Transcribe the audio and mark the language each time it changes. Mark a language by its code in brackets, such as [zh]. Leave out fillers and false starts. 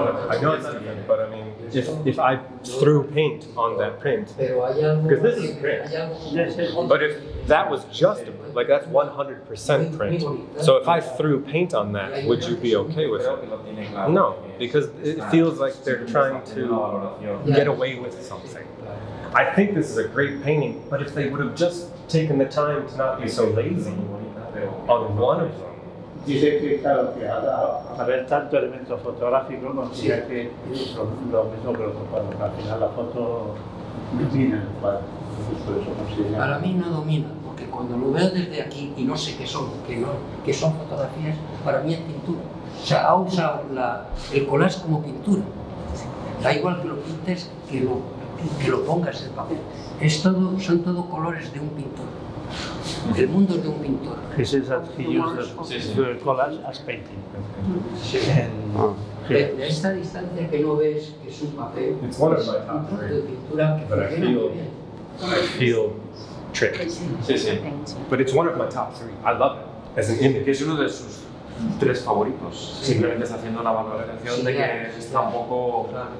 [en] I know it's different, but I mean, if I threw paint on that print, because this is print, but if that was just a print, like that's 100% print, so if I threw paint on that, would you be okay with it? No, because it feels like they're trying to get away with something. I think this is a great painting, but if they would have just taken the time to not be so lazy on one of them. [es] Dice que claro que ha dado tanto elemento fotográfico, considera que lo mismo que lo compara, al final la foto domina el cuadro. Para mí no domina, porque cuando lo veo desde aquí y no sé qué son, que son fotografías, para mí es pintura. O sea, ha usado el collage como pintura. Da igual que lo pintes, que lo pongas en papel. Es todo, son todo colores de un pintor. El mundo es de un pintor. [en] He says that he used the collage as painting. [es] Sí. De esta distancia que no ves que es un papel, es un punto de pintura que funciona bien. [en] I feel tricked. [es] Sí, sí. [en] But it's one of my top three. I love it as an image. [es] Es uno de sus tres favoritos. Simplemente es haciendo la valoración de que está un poco...